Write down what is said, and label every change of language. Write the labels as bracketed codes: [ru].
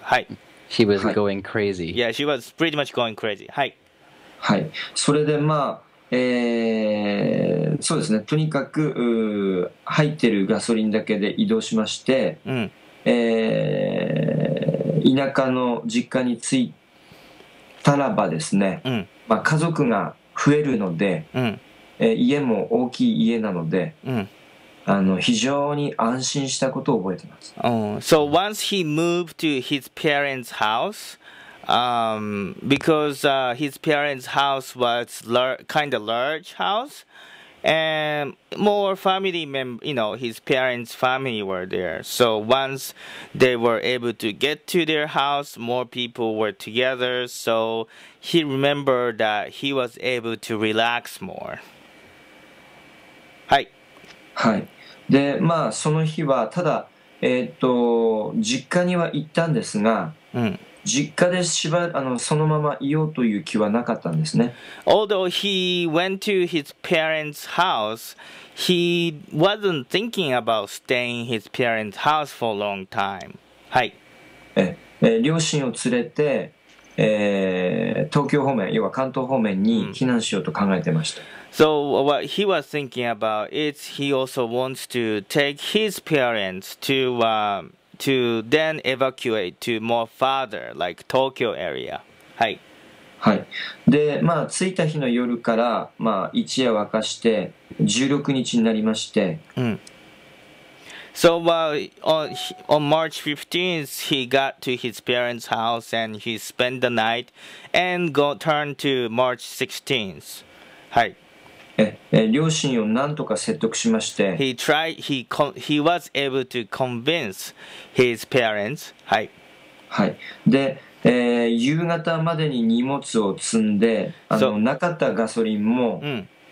[ja] はい。 [en] She was going crazy. Yeah, she was pretty much going crazy. [ja] はい。はい。それでまあ、そうですね。とにかく入ってるガソリンだけで移動しまして、うん、田舎の実家に着いたらばですね、うん、まあ、家族が増えるので、うん、家も大きい家なので、うん、あの非常に安心したことを覚えてます。 [en] So once he moved to his parents' house, because his parents' house was kind of large house, and more family members, you know, his parents' family were there. So once they were able to get to their house, more people were together. So he remembered that he was able to relax more. [ja] はい、はい、でまあその日はただ実家には行ったんですが、うん、実家でしばあのそのままいようという気はなかったんですね。 [en] Although he went to his parents' house, he wasn't thinking about staying his parents' house for a long time. [ja] はい、両親を連れて東京方面、要は関東方面に避難しようと考えてました。 [en] So what he was thinking about is he also wants to take his parents to then evacuate to more farther, like Tokyo area. [ja] はい。はい。で、まあ、着いた日の夜から、まあ、一夜明かして、16日になりまして。うん。 [en] So on March 15th, he got to his parents' house and he spent the night and turned to March 16th. [ja] はい。両親を何とか説得しまして。 [en] He was able to convince his parents. [ja] はい。はい。で、夕方までに荷物を積んで、なかったガソリンも、うん、